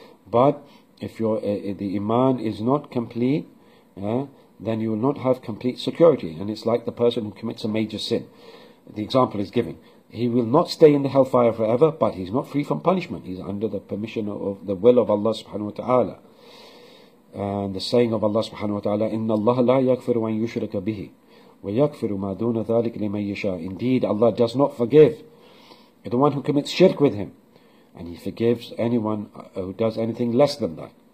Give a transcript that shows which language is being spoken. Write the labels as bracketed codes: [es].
[en] But if your the iman is not complete, yeah, then you will not have complete security. And it's like the person who commits a major sin. The example is given. He will not stay in the hellfire forever, but he's not free from punishment. He's under the permission of the will of Allah subhanahu wa ta'ala. And the saying of Allah subhanahu wa ta'ala, [ar] إِنَّ اللَّهَ لَا يَغْفِرُ وَأَنْ يُشْرَكَ بِهِ وَيَكْفِرُ مَا دُونَ ذَلِكَ لِمَنْ يَشَاءُ. [en] Indeed, Allah does not forgive the one who commits shirk with him. And he forgives anyone who does anything less than that.